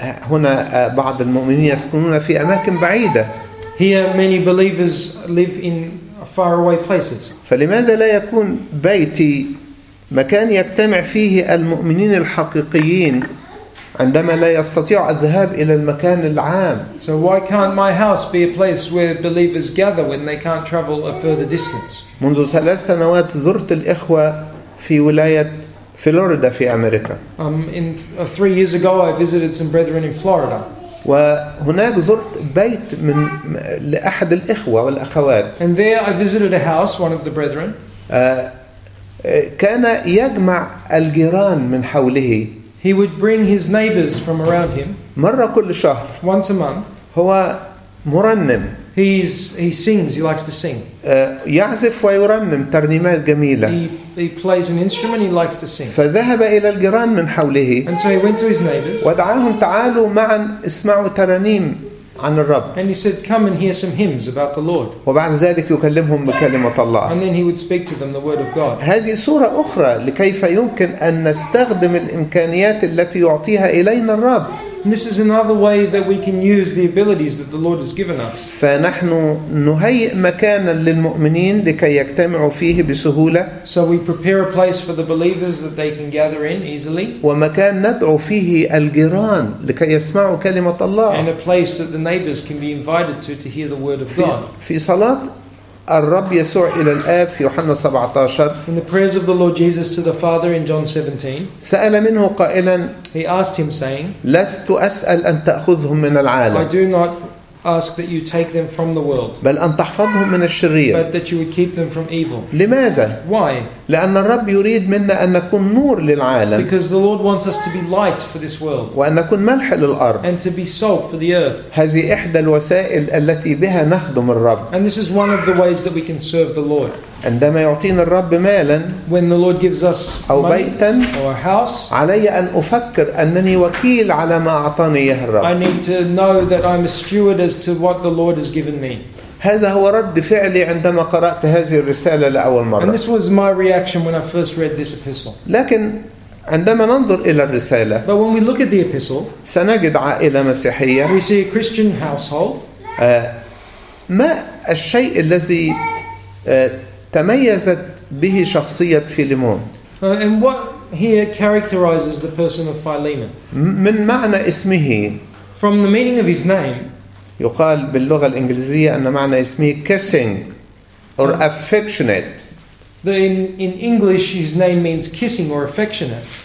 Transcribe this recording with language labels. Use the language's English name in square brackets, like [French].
[Arabic] هنا بعض المؤمنين يسكنون في أماكن بعيدة. [English] Here many believers live in far away places. [Arabic] فلماذا لا يكون بيتي مكان يجتمع فيه المؤمنين الحقيقيين عندما لا يستطيع الذهاب إلى المكان العام؟ [English] So why can't my house be a place where believers gather when they can't travel a further distance? [Arabic] منذ 3 سنوات زرت الإخوة في ولاية فلوريدا في أمريكا. [English] Three years ago I visited some brethren in Florida. [Arabic] وهناك زرت بيت من لأحد الإخوة والأخوات. [English] And there I visited a house, one of the brethren. [Arabic] كان يجمع الجيران من حوله. [English] He would bring his neighbors from around him. [Arabic] مرة كل شهر. [English] Once a month. [Arabic] هو مرنم. [English] He sings. He likes to sing. [Arabic] يعزف ويرنم ترنيمات جميلة. [English] He plays an instrument. He likes to sing. [Arabic] فذهب إلى الجيران من حوله. [English] And so he went to his neighbors. [Arabic] ودعاهم تعالوا معا اسمعوا ترانيم عن الرب. [English] And he said, come and hear some hymns about the Lord. [Arabic] وبعد ذلك يكلمهم بكلمة الله. [English] And then he would speak to them the word of God. [Arabic] هذه صورة أخرى لكيف يمكن أن نستخدم الإمكانيات التي يعطيها إلينا الرب. [English] And this is another way that we can use the abilities that the Lord has given us. [Arabic] فنحن نهيئ مكانا للمؤمنين لكي يجتمعوا فيه بسهولة. [English] So we prepare a place for the believers that they can gather in easily. [Arabic] ومكان ندعو فيه الجيران لكي يسمعوا كلمة الله. [English] And a place that the neighbors can be invited to hear the word of God. [Arabic] في صلاة الرب يسوع إلى الآب في يوحنا 17. [English] In the prayers of the Lord Jesus to the Father in John 17. [Arabic] سأل منه قائلا. [English] He asked him saying. [Arabic] لست أسأل أن تأخذهم من العالم. [English] I do not ask that you take them from the world. [Arabic] بل أن تحفظهم من الشرير. [English] But that you would keep them from evil. [Arabic] لماذا؟ [English] Why? [Arabic] لأن الرب يريد منا أن نكون نور للعالم. [English] Because the Lord wants us to be light for this world. [Arabic] وأن نكون ملح للأرض. [English] And to be salt for the earth. [Arabic] هذه إحدى الوسائل التي بها نخدم الرب. [English] And this is one of the ways that we can serve the Lord. [Arabic] عندما يعطينا الرب مالا. [English] When the Lord gives us [Arabic] أو بيتا. [English] Or a house. [Arabic] علي أن أفكر أنني وكيل على ما أعطاني إياه الرب. [English] I need to know that I'm a steward as to what the Lord has given me. [Arabic] هذا هو رد فعلي عندما قرأت هذه الرسالة لأول مرة. [English] And this was my reaction when I first read this epistle. [Arabic] لكن عندما ننظر إلى الرسالة. [English] But when we look at the epistle. [Arabic] سنجد عائلة مسيحية. [English] We see a Christian household. [Arabic] ما الشيء الذي تميزت به شخصية فيليمون؟ [English] And what here characterizes the person of Philemon? [Arabic] من معنى اسمه. [English] From the meaning of his name. [Arabic] يقال باللغة الإنجليزية أن معنى اسمه [English] kissing or affectionate. In English his name means kissing or affectionate.